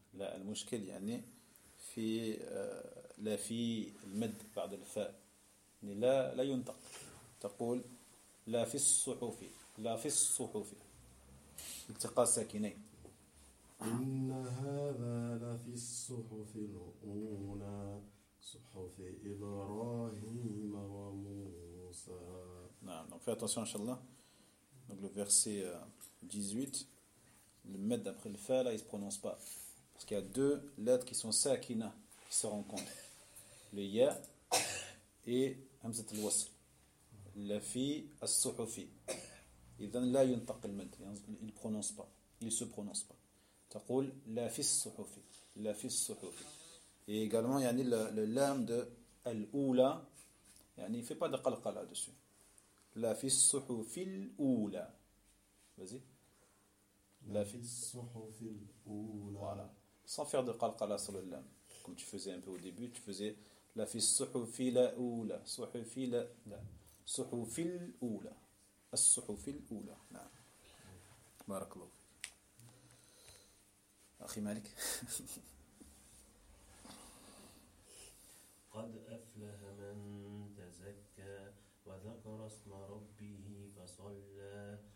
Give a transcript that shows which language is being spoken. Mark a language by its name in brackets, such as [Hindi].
[Arabic] لا، المشكل يعني في لفي المد بعد الفاء، يعني لا ينطق، تقول لا في الصحف، لا في الصحف، التقاء ساكنين. إن هذا لفي الصحف الأولى، صحف إبراهيم وموسى. نعم، [French] donc fais attention inshallah. Donc le verset 18, le med après le fa, là, il ne se prononce pas. Parce qu'il y a deux lettres qui sont sakina, qui se rencontrent. Le ya et [Arabic] hamzat al-wasl. La fi as-suhufi. Idhan la yuntaq al-mad, [French] il ne prononce pas. Il ne se prononce pas. [Arabic] Taqul la fi as-suhufi. La fi as-suhufi. [French] Et également, yani, le lam de al-oula, yani, il ne fait pas de qalqa là-dessus. [Arabic] La fi as-suhufi al-oula. [French] Vas-y. [Arabic] La fi as-suhufi al-oula. [French] Voilà. Sans faire de qalqala sur le lam. Comme tu faisais un peu au début, tu faisais [Arabic] la fi as-suhufi al-oula. Suhufi al-oula. صحف الأولى، الصحف الأولى. نعم، بارك الله أخي مالك. قد أفلح من تزكى وذكر اسم ربه فصلى.